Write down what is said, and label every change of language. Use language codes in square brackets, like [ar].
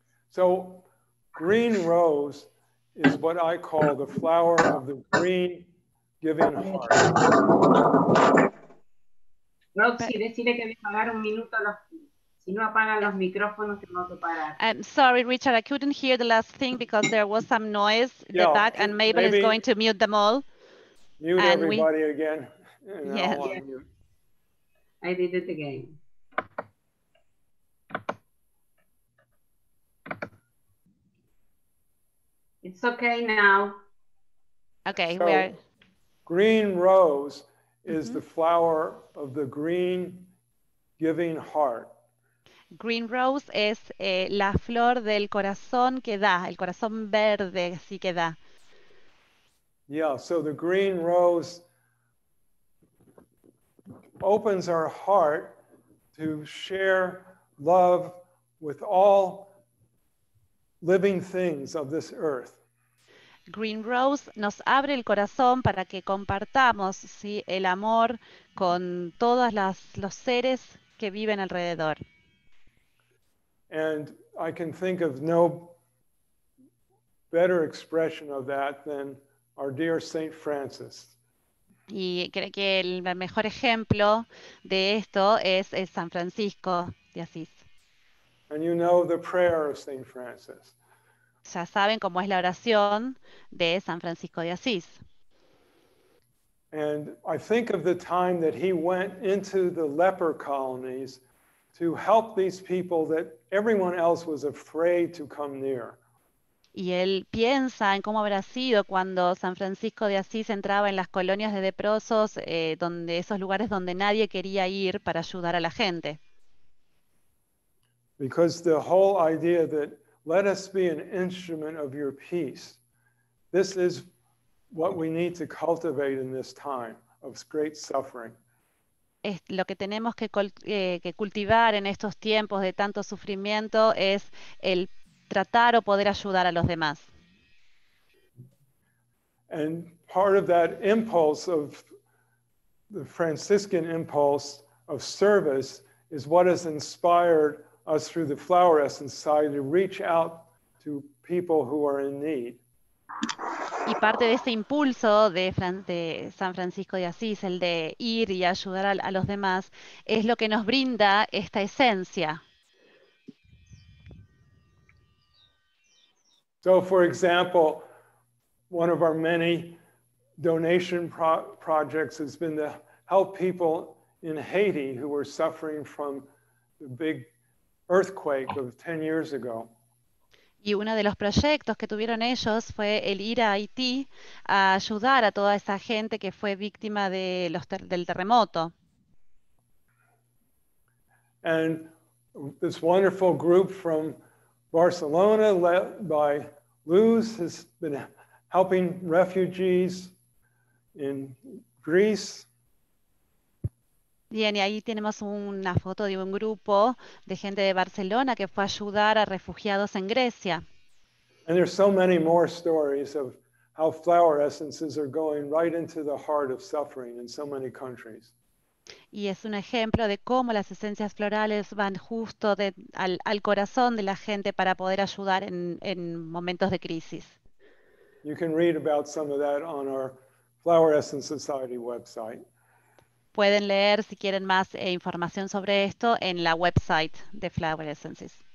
[en] So, green rose is what I call the flower of the green giving heart. [es] Roxy, decirle que voy a pagar un minuto a los. Si no apagan los micrófonos, tengo que parar. [en] I'm sorry, Richard, I couldn't hear the last thing because there was some noise in the back, and Mabel is going to mute them all. Mute and everybody again. Yes. I did it again. It's okay now. Okay, so, green rose is the flower of the green giving heart. [es] Green rose es la flor del corazón que da, el corazón verde así que da. [en] Yeah, so the green rose opens our heart to share love with all living things of this earth. [es] Green rose nos abre el corazón para que compartamos, ¿sí?, el amor con todos los seres que viven alrededor. [en] And I can think of no better expression of that than our dear Saint Francis. [es] Y creo que el mejor ejemplo de esto es el San Francisco de Asís. [en] And you know the prayer of Saint Francis. [es] Ya saben cómo es la oración de San Francisco de Asís. [en] And I think of the time that he went into the leper colonies to help these people that everyone else was afraid to come near. [es] Y él piensa en cómo habrá sido cuando San Francisco de Asís entraba en las colonias de leprosos, donde esos lugares donde nadie quería ir para ayudar a la gente. [en] Because the whole idea that Let us be an instrument of your peace. This is what we need to cultivate in this time of great suffering. [es] Es lo que tenemos que cultivar en estos tiempos de tanto sufrimiento es el tratar o poder ayudar a los demás. [en] And part of that impulse of the Franciscan impulse of service is what has inspired us through the Flower Essence Society to reach out to people who are in need. [es] Y parte de ese impulso de San Francisco de Asís, el de ir y ayudar a los demás, es lo que nos brinda esta esencia. [en] So, for example, one of our many donation projects has been to help people in Haiti who were suffering from the big earthquake of 10 years ago. [es] Y uno de los proyectos que tuvieron ellos fue el ir a Haití a ayudar a toda esa gente que fue víctima de del terremoto. [en] And this wonderful group from Barcelona, led by Luz, has been helping refugees in Greece. [es] Bien, y ahí tenemos una foto de un grupo de gente de Barcelona que fue a ayudar a refugiados en Grecia. [en] And there's so many more stories of how flower essences are going right into the heart of suffering in so many countries. [es] Y es un ejemplo de cómo las esencias florales van justo al corazón de la gente para poder ayudar en momentos de crisis. [en] You can read about some of that on our Flower Essence Society website. [es] Pueden leer, si quieren, más información sobre esto en la website de Flower Essences.